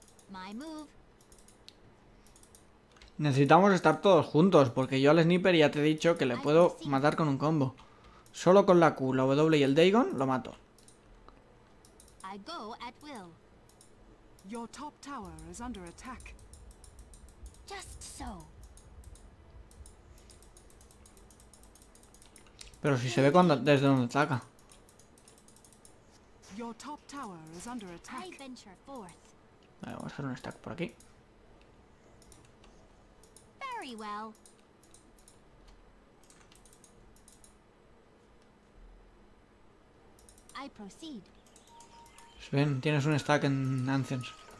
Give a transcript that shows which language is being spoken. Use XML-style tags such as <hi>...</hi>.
<en>My move.</en> <es>Necesitamos estar todos juntos, porque yo al sniper ya te he dicho que le puedo matar con un combo. Solo con la Q, la W y el Dagon lo mato.</es> <en>I go at will. Your top tower is under attack. Just so.</en> <es>Pero si se ve cuando desde donde ataca.</es> <en>Your top tower is under attack. I venture forth.</en> <es>Vale, vamos a hacer un stack por aquí.</es> <en>Very well. I proceed.</en> <es>Sven, tienes un stack en Ancients.</es>